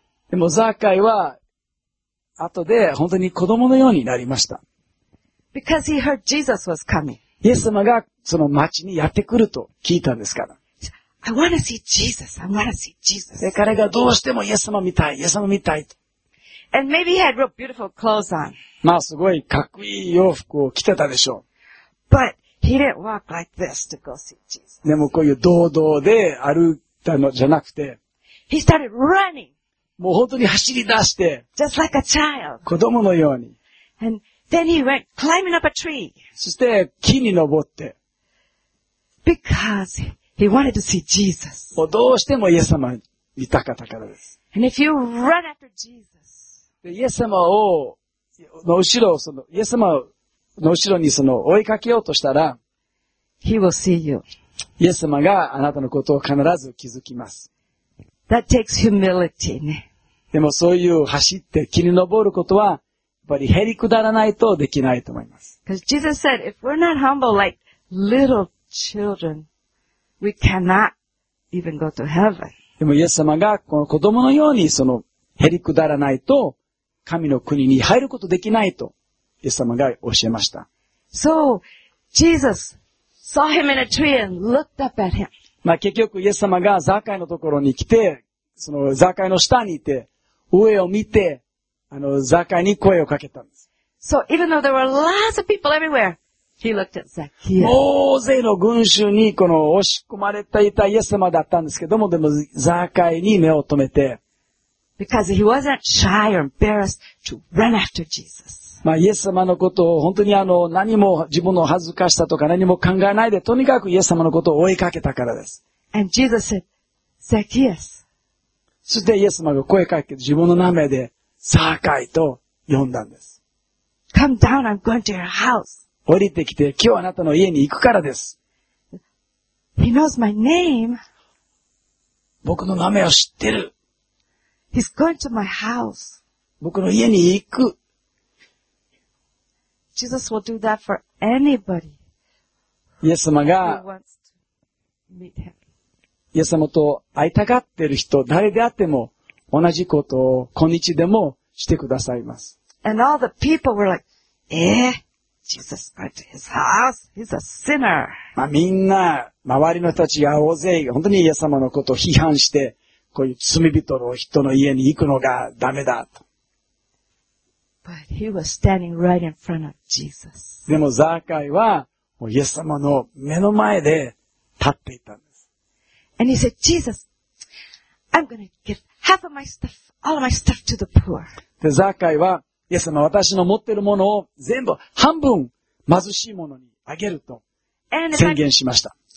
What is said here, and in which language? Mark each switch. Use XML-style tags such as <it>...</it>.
<ja>でもザーカイは、後で本当に子供のようになりました。</ja> <en>Because he heard Jesus was coming.</en> <ja>イエス様がその町にやってくると聞いたんですから。</ja> <en>I wanna see Jesus. I wanna see Jesus.</en> <ja>で、彼がどうしてもイエス様見たい。イエス様見たいと。</ja> <en>And maybe he had real beautiful clothes on.</en> <ja>まあ、すごいかっこいい洋服を着てたでしょう。</ja> <en>But he didn't walk like this to go see Jesus.</en> <ja>でもこういう堂々で歩いたのじゃなくて。</ja> <en>He started running.</en> <ja>もう本当に走り出して。</ja> <en>Just like a child.</en> <ja>子供のように。</ja> <en>And then he went climbing up a tree.</en> <ja>そして木に登って。</ja> <en>Because He wanted to see Jesus.</en> <ja>どうしてもイエス様見たかったからです。</ja> <en>And if you run after Jesus,</en> <ja>でイエス様をの後ろそのイエス様の後ろにその追いかけようとしたら、</ja> <en>He will see you.</en> <ja>イエス様があなたのことを必ず気づきます。</ja> <en>That takes humility.</en> <ja>でもそういう走って木に登ることはやっぱりへりくだらないとできないと思います。</ja> <en>Because Jesus said, if we're not humble like little children,We cannot even go to heaven.</en> <ja>でもイエス様がこの子供のようにそのへりくだらないと神の国に入ることできないとイエス様が教えました。</ja> <en>So, Jesus saw him in a tree and looked up at him.</en> <ja>まあ、結局、イエス様がザカイのところに来て、そのザカイの下にいて、上を見て、あの、ザカイに声をかけたんです。</ja> <en>So, even though there were lots of people everywhere, he looked at Zacchaeus.</en> <ja>大勢の群衆にこの押し込まれていたイエス様だったんですけども、でもザカイに目を留めて、</ja> <en>Because he wasn't shy or embarrassed to run after Jesus.</en> <ja>まあ、イエス様のことを本当にあの、何も自分の恥ずかしさとか何も考えないで、とにかくイエス様のことを追いかけたからです。</ja> <en>And Jesus said, Zacchaeus.</en> <ja>そしてイエス様が声かけて、自分の名前でザカイと呼んだんです。</ja> <en>Come down, I'm going to your house.</en> <ja>降りてきて、今日あなたの家に行くからです。</ja> <en>He knows my name.</en> <ja>僕の名前を知ってる。</ja> <en>He's going to my house.</en> <ja>僕の家に行く。</ja> <en>Jesus will do that for anybody.</en> <ja>イエス様が、イエス様と会いたがってる人、誰であっても、同じことを今日でもしてくださいます。</ja> <en>And all the people were like, eh? Jesus went to his house? He's a sinner.</en> <ja>まあ、みんな、周りの人たちが大勢、本当にイエス様のことを批判して、こういう罪人の人の家に行くのがダメだと。</ja> <en>But he was standing right in front of Jesus.</en> <ja>でもザーカイは、もうイエス様の目の前で立っていたんです。</ja> <en>And he said, Jesus, I'm gonna give half of my stuff, all of my stuff to the poor.</en> <ja>で、ザーカイは、イエス様、私の持ってるものを全部半分貧しいものにあげると宣言しました。</ja>